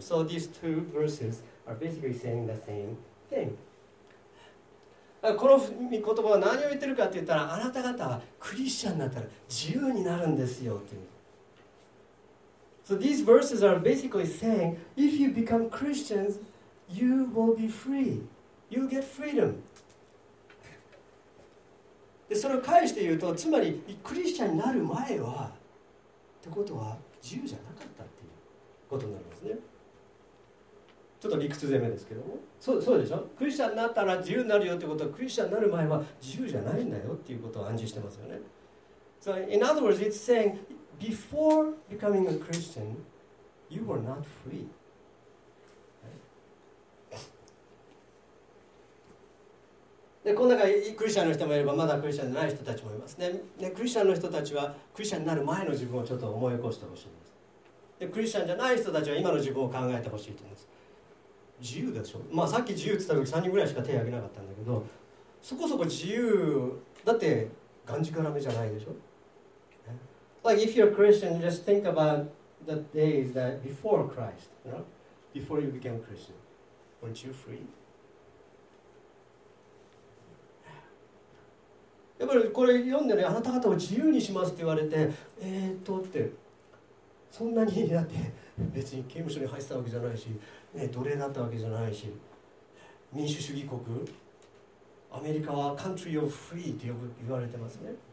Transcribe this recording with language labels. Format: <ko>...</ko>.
<en>So these two verses. are basically saying the same thing.</en> <ja>この御言葉は何を言ってるかって言ったら、あなた方はクリスチャンになったら自由になるんですよっていう。</ja> <en>So these verses are basically saying, if you become Christians, you will be free. You'll get freedom. で</en> <ja>それを返して言うと、つまりクリスチャンになる前はってことは自由じゃなかったっていうことになりますね。ちょっと理屈攻めですけども、そうでしょ、クリスチャンになったら自由になるよってことは、クリスチャンになる前は自由じゃないんだよっていうことを暗示してますよね。</ja> <en>So in other words, it's saying before becoming a Christian, you were not free.</en> <ja>でこの中にクリスチャンの人もいれば、まだクリスチャンじゃない人たちもいますね。でクリスチャンの人たちはクリスチャンになる前の自分をちょっと思い起こしてほしいんです。でクリスチャンじゃない人たちは今の自分を考えてほしいと思います。自由でしょ、まあ、さっき自由って言った時3人ぐらいしか手を挙げなかったんだけど、そこそこ自由だってがんじがらめじゃないでしょ、ね、</ja> <en>Like if you're a Christian, just think about the days that before Christ, you know? Before you became a Christian, weren't you free?</en> <ja>やっぱりこれ読んでね、あなた方を自由にしますって言われて、ってそんなにだって別に刑務所に入ってたわけじゃないし、ね、奴隷だったわけじゃないし、民主主義国アメリカは</ja> <en>country of free</en> <ja>ってよく言われてますね。</ja>